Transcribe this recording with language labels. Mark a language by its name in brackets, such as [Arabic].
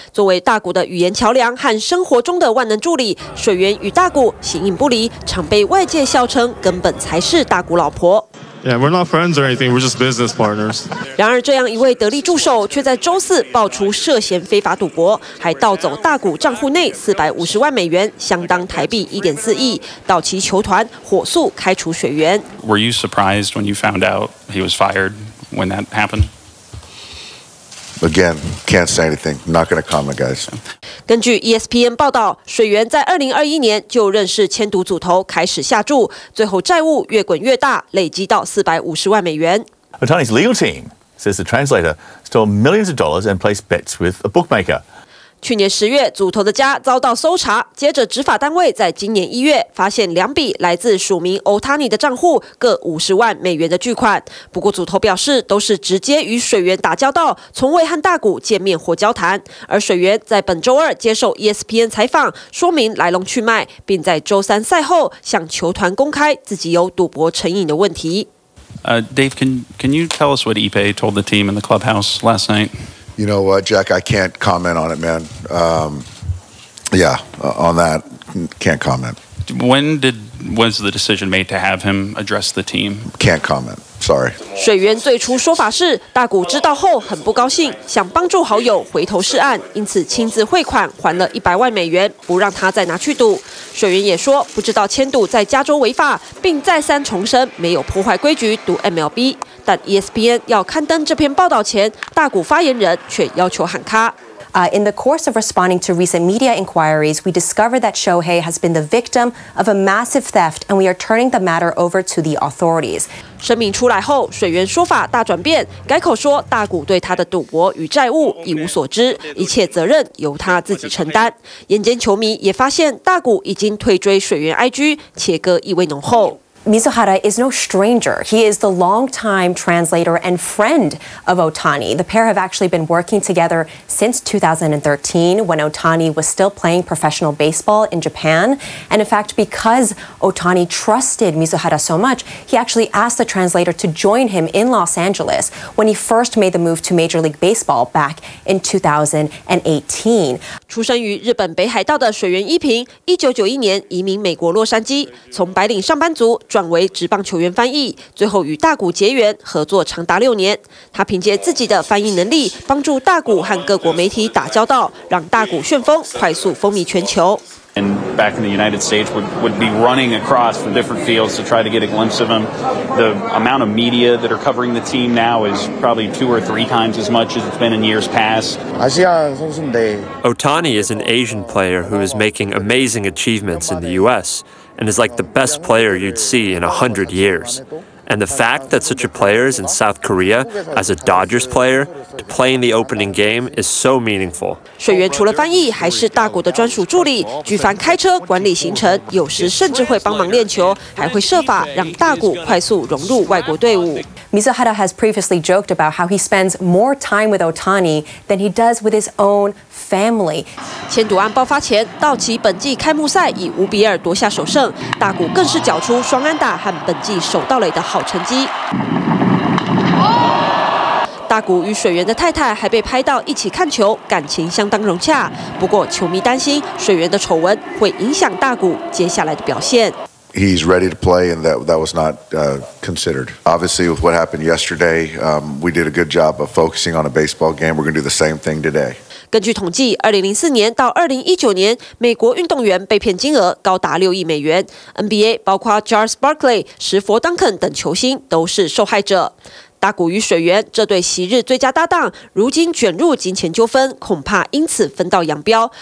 [Chinese] 作为大谷的语言桥梁和生活中的万能助理，水原与大谷形影不离，常被外界笑称根本才是大谷老婆。 [English] Yeah, we're not friends or anything. We're just business partners. [Chinese] 然而，这样一位得力助手却在周四爆出涉嫌非法赌博，还盗走大谷账户内450万美元，相当台币1.4亿，到其球团火速开除水原。 [English] Were you surprised when you found out he was fired? When that happened? Again, can't say anything. Not going to comment, guys. [Chinese] 根据 ESPN 报道，水原在2021年就认识千赌组头，开始下注，最后债务越滚越大，累积到450万美元。 [English] Otani's legal team says the translator stole millions of dollars and placed bets with a bookmaker. [Chinese] 去年10月，组头的家遭到搜查，接着执法单位在今年1月发现2笔来自署名 Otani 的账户各50万美元的巨款。不过组头表示都是直接与水原打交道，从未和大谷见面或交谈。而水原在本周二接受 ESPN 采访，说明来龙去脉，并在周三赛后向球团公开自己有赌博成瘾的问题。 [English] Dave, can you tell us what Ipe told the team in the clubhouse last night? You know what, Jack, I can't comment on it, man. On that, can't comment. When was the decision made to have him address the team? Can't comment, sorry. [Chinese] 水原最初说法是，大谷知道后很不高兴，想帮助好友回头是岸，因此亲自汇款还了100万美元，不让他再拿去赌。水原也说，不知道千赌在加州违法，并再三重申没有破坏规矩赌 MLB。但 ESPN 要刊登这篇报道前，大谷发言人却要求喊卡。 [English] In the course of responding to recent media inquiries, we discovered that Shohei has been the victim of a massive theft, and we are turning the matter over to the authorities. [Chinese] 声明出来后，水原说法大转变，改口说大谷对他的赌博与债务一无所知，一切责任由他自己承担。眼尖球迷也发现，大谷已经退追水原 IG， 切割意味浓厚。 [English] Mizuhara is no stranger. He is the longtime translator and friend of Otani. The pair have actually been working together since 2013 when Otani was still playing professional baseball in Japan. And in fact, because Otani trusted Mizuhara so much, he actually asked the translator to join him in Los Angeles when he first made the move to Major League Baseball back in 2018. [Chinese] 出生于日本北海道的水原一平1991年移民美国洛杉矶，从白领上班族转为职棒球员翻译，最后与大谷结缘，合作长达6年。他凭借自己的翻译能力，帮助大谷和各国媒体打交道，让大谷旋风快速风靡全球。 [English] And back in the United States, would be running across from different fields to try to get a glimpse of him. The amount of media that are covering the team now is probably 2 or 3 times as much as it's been in years past. Otani is an Asian player who is making amazing achievements in the U.S. and is like the best player you'd see in 100 years. And the fact that such a player is in South Korea as a Dodgers player to play in the opening game is so meaningful. [Chinese] 水原除了翻译，还是大谷的专属助理，举凡开车、管理行程，有时甚至会帮忙练球，还会设法让大谷快速融入外国队伍。 [English] Mizuhara has previously joked about how he spends more time with Otani than he does with his own family. [Chinese] 千赌案爆发前，道奇本季开幕赛以5-2夺下首胜，大谷更是缴出双安打和本季首盗垒的好成绩。大谷与水原的太太还被拍到一起看球，感情相当融洽。不过球迷担心水原的丑闻会影响大谷接下来的表现。 [English] He's ready to play, and that was not considered. Obviously, with what happened yesterday, we did a good job of focusing on a baseball game. We're going to do the same thing today. [Chinese] 根据统计，2004年到2019年，美国运动员被骗金额高达6亿美元。 NBA 包括 Charles Barkley、石佛·邓肯等球星都是受害者。大谷与水原这对昔日最佳搭档，如今卷入金钱纠纷，恐怕因此分道扬镳。